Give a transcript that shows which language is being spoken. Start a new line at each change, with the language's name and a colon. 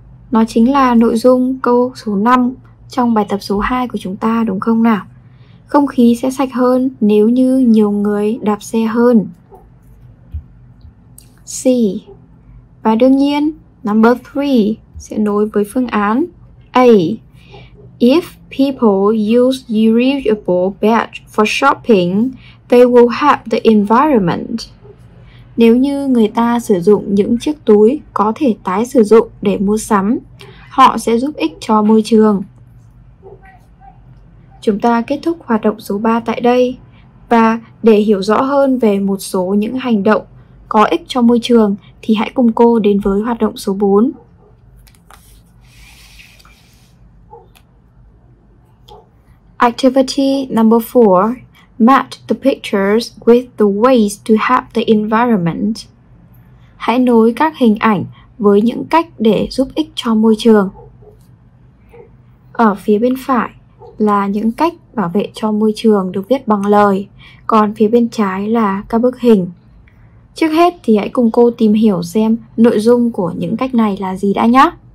Vietnamese: Nó chính là nội dung câu số 5 trong bài tập số 2 của chúng ta, đúng không nào? Không khí sẽ sạch hơn nếu như nhiều người đạp xe hơn. C. Và đương nhiên, number 3 sẽ nối với phương án A.
English: If people use reusable bags for shopping, they will help the environment.
Vietnamese: Nếu như người ta sử dụng những chiếc túi có thể tái sử dụng để mua sắm, họ sẽ giúp ích cho môi trường. Chúng ta kết thúc hoạt động số 3 tại đây. Và để hiểu rõ hơn về một số những hành động có ích cho môi trường thì hãy cùng cô đến với hoạt động số 4.
English: Activity number 4. Match the pictures with the ways to help the environment.
Vietnamese: Hãy nối các hình ảnh với những cách để giúp ích cho môi trường. Ở phía bên phải là những cách bảo vệ cho môi trường được viết bằng lời, còn phía bên trái là các bức hình. Trước hết thì hãy cùng cô tìm hiểu xem nội dung của những cách này là gì đã nhé.